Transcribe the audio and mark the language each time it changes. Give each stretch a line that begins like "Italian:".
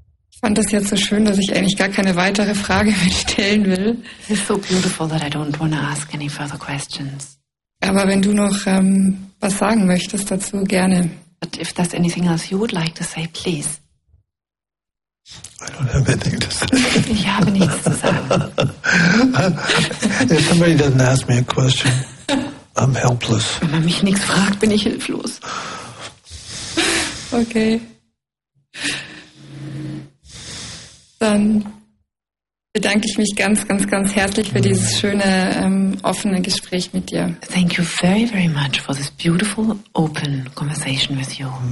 German: Ich fand das jetzt so schön, dass ich eigentlich gar keine weitere Frage mehr stellen will.
English: It is so beautiful that I don't want to ask any further questions.
German: Aber wenn du noch was sagen möchtest dazu, gerne.
English: But if there's anything else you would like to say, please. I don't have anything to say.
German: Ich habe nichts zu sagen.
English: If somebody doesn't ask me a question, I'm helpless.
German: Wenn man mich nichts fragt, bin ich hilflos. Okay. Dann bedanke ich mich ganz, ganz, ganz herzlich für dieses schöne, offene Gespräch mit dir.
English: Thank you very, very much for this beautiful, open conversation with you.